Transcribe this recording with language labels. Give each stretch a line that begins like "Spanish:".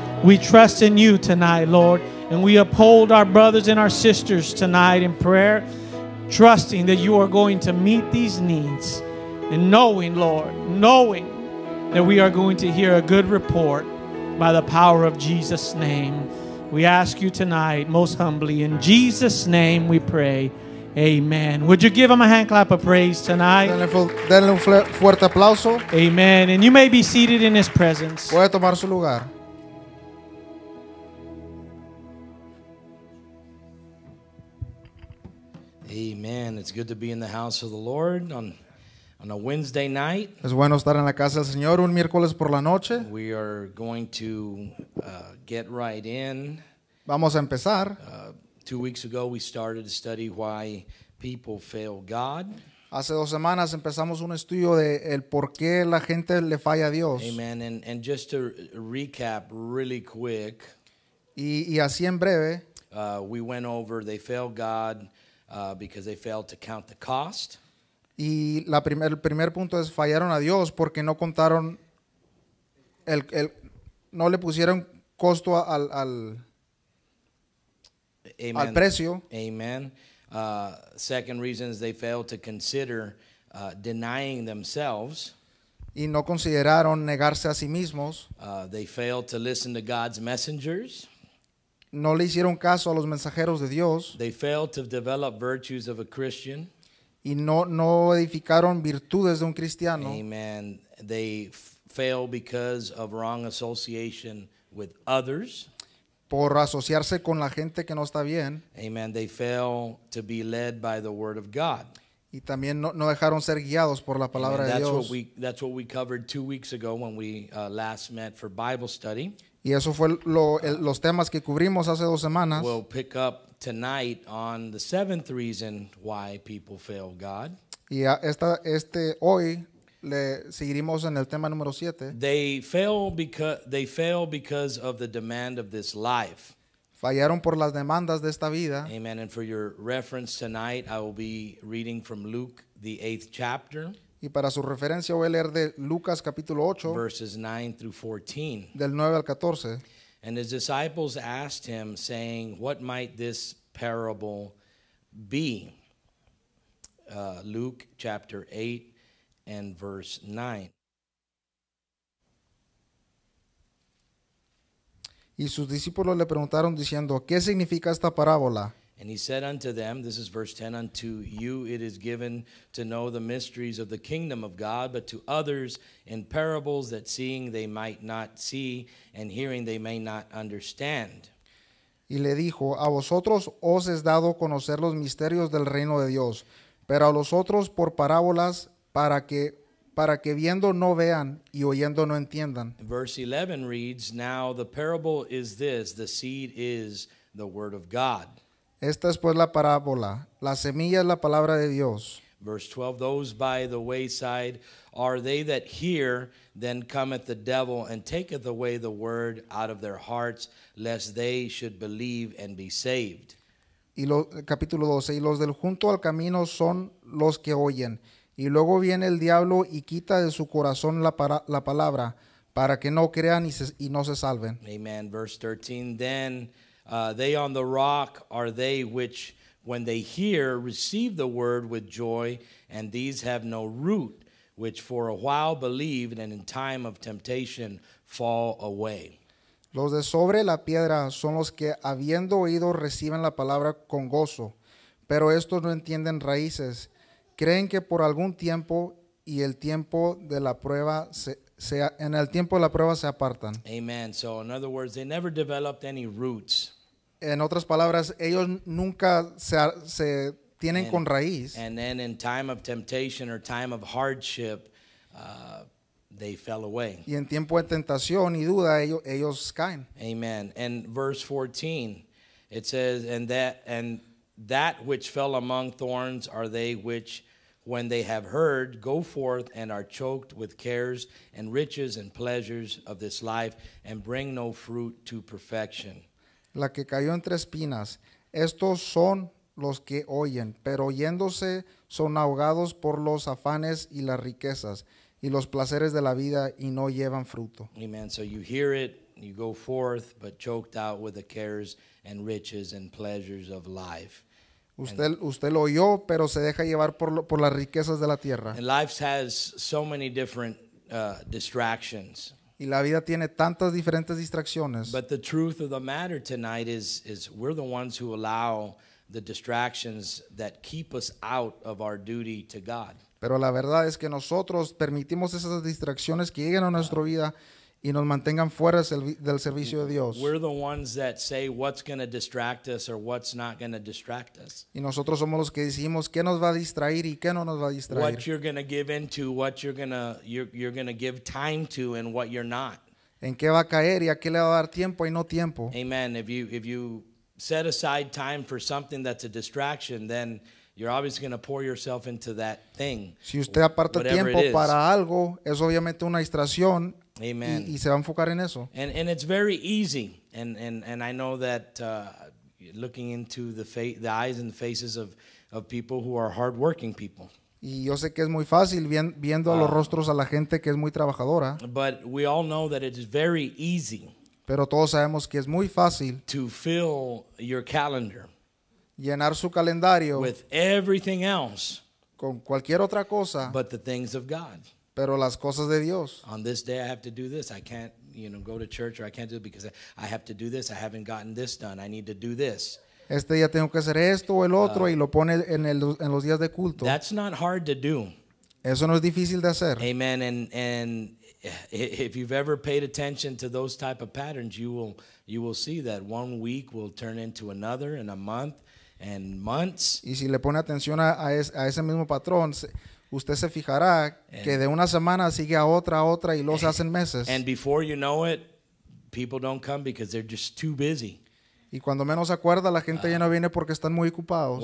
English: We trust in you tonight, Lord, and we uphold our brothers and our sisters tonight in prayer, trusting that you are going to meet these needs and knowing, Lord, knowing that we are going to hear a good report by the power of Jesus' name. We ask you tonight, most humbly, in Jesus' name we pray. Amen. Would you give him a hand clap of praise tonight?
Spanish: Denle un fuerte aplauso. Amen.
English: And you may be seated in his presence.
Spanish: Puede tomar su lugar. Amen.
English: It's good to be in the house of the Lord on a Wednesday night.
Spanish: Es bueno estar en la casa del Señor un miércoles por la noche.
English: We are going to get right in.
Spanish: Vamos a empezar.
English: 2 weeks ago, we started a study why people fail God.
Spanish: Hace dos semanas empezamos un estudio de el por qué la gente le falla a Dios. Amen.
English: And just to recap really quick.
Spanish: Y así en breve.
English: We went over they fail God because they failed to count the cost.
Spanish: Y el primer punto es fallaron a Dios porque no contaron el no le pusieron costo al Amen. Al precio. Amen.
English: Second reason is they failed to consider denying themselves.
Spanish: Y no consideraron negarse a sí mismos.
English: They failed to listen to God's messengers.
Spanish: No le hicieron caso a los mensajeros de Dios.
English: They failed to develop virtues of a Christian.
Spanish: Y no edificaron virtudes de un cristiano. Amen.
English: They failed because of wrong association with others.
Spanish: Por asociarse con la gente que no está bien. Amen.
English: They fail to be led by the word of God.
Spanish: Y también no dejaron ser guiados por la palabra Amen. De
English: that's
Spanish: Dios.
English: That's what we covered 2 weeks ago when we last met for Bible study.
Spanish: Y eso fue los temas que cubrimos hace dos semanas.
English: We'll pick up tonight on the seventh reason why people fail God.
Spanish: Y hoy le seguiremos en el tema número 7.
English: They fail because of the demand of this life.
Spanish: Fallaron por las demandas de esta vida. Amen.
English: And for your reference tonight, I will be reading from Luke, the 8th chapter.
Spanish: Y para su referencia voy a leer de Lucas capítulo 8.
English: Verses 9 through 14.
Spanish: Del 9 al 14.
English: And his disciples asked him, saying, what might this parable be? Luke chapter 8. And verse 9.
Spanish: Y sus discípulos le preguntaron diciendo, ¿qué significa esta parábola?
English: And he said unto them, this is verse 10, unto you it is given to know the mysteries of the kingdom of God, but to others in parables that seeing they might not see, and hearing they may not understand.
Spanish: Y le dijo, a vosotros os es dado conocer los misterios del reino de Dios, pero a los otros por parábolas, para que viendo no vean y oyendo no entiendan.
English: Verse 11 reads, now the parable is this, the seed is the word of God.
Spanish: Esta es pues la parábola, la semilla es la palabra de Dios.
English: Verse 12, those by the wayside are they that hear, then cometh the devil and taketh away the word out of their hearts, lest they should believe and be saved.
Spanish: Y capítulo 12, y los del junto al camino son los que oyen, y luego viene el diablo y quita de su corazón la palabra para que no crean y no se salven.
English: Amen. Verse 13. Then they on the rock are they which when they hear receive the word with joy, and these have no root, which for a while believed and in time of temptation fall away.
Spanish: Los de sobre la piedra son los que, habiendo oído, reciben la palabra con gozo, pero estos no entienden raíces. Creen que por algún tiempo y el tiempo de la prueba en el tiempo de la prueba se apartan. Amen.
English: So in other words, they never developed any roots.
Spanish: En otras palabras, ellos nunca se tienen con raíz.
English: And then in time of temptation or time of hardship, they fell away.
Spanish: Y en tiempo de tentación y duda, ellos caen. Amen.
English: And verse 14, it says, and that which fell among thorns are they which, when they have heard, go forth and are choked with cares and riches and pleasures of this life, and bring no fruit to perfection.
Spanish: La que cayó entre espinas, estos son los que oyen, pero oyéndose son ahogados por los afanes y las riquezas y los placeres de la vida, y no llevan fruto. Amen.
English: So you hear it, you go forth, but choked out with the cares and riches and pleasures of life.
Spanish: Usted lo oyó, pero se deja llevar por las riquezas de la tierra.
English: And life has so many different distractions.
Spanish: Y la vida tiene tantas diferentes distracciones.
English: But the truth of the matter tonight is we're the ones who allow the distractions that keep us out of our duty to God.
Spanish: Pero la verdad es que nosotros permitimos esas distracciones que lleguen a nuestra vida y nos mantengan fuera del servicio de Dios.
English: We're the ones that say what's going to distract us or what's not going to distract us.
Spanish: Y nosotros somos los que decimos qué nos va a distraer y qué no nos va a distraer.
English: What you're going to give into, what you're going to give time to, and what you're not.
Spanish: En qué va a caer y a qué le va a dar tiempo y no tiempo. Amen.
English: If you set aside time for something that's a distraction, then you're obviously going to pour yourself into that thing. Si usted aparta tiempo para algo, es obviamente una distracción. Amen.
Spanish: Y se va a enfocar en eso.
English: And it's very easy. And I know that looking into the eyes and the faces of people who are hardworking people.
Spanish: Y yo sé que es muy fácil viendo los rostros a la gente que es muy trabajadora.
English: But we all know that it is very easy.
Spanish: Pero todos sabemos que es muy fácil
English: to fill your calendar.
Spanish: Llenar su calendario
English: with everything else.
Spanish: Con cualquier otra cosa.
English: But the things of God.
Spanish: Pero las cosas de Dios.
English: On this day I have to do this. I can't, you know, go to church, or I can't do it because I have to do this. I haven't gotten this done. I need to do this.
Spanish: Este día tengo que hacer esto o el otro, y lo pone en los días de culto.
English: That's not hard to do.
Spanish: Eso no es difícil de hacer. Amen.
English: And if you've ever paid attention to those type of patterns, you will see that one week will turn into another, and a month and months.
Spanish: Y si le pone atención a ese mismo patrón, usted se fijará que de una semana sigue a otra, y los hacen meses.
English: And before you know it, people don't come because they're just too busy.
Spanish: Y cuando menos acuerda, la gente ya no viene porque están muy ocupados.